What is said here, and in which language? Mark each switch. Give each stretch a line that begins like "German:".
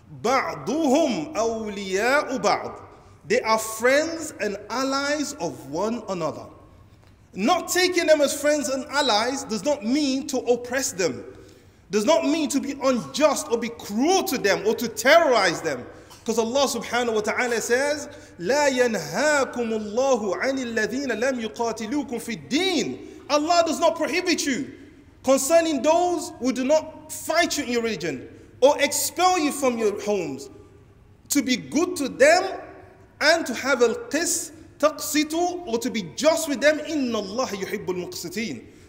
Arabic: بعضهم أولياء بعض,
English: they are friends and allies of one another. Not taking them as friends and allies does not mean to oppress them, does not mean to be unjust or be cruel to them or to terrorize them. Because Allah subhanahu wa ta'ala says,
Arabic: لَا يَنْهَاكُمُ اللَّهُ عَنِ الَّذِينَ لَمْ يُقَاتِلُوكُمْ فِي الدِّينِ.
English: Allah does not prohibit you concerning those who do not fight you in your religion or expel you from your homes, to be good to them and to have al-qis, taqsitu, or to be just with them.
Arabic: إِنَّ اللَّهَ يُحِبُّ الْمُقْسِتِينَ.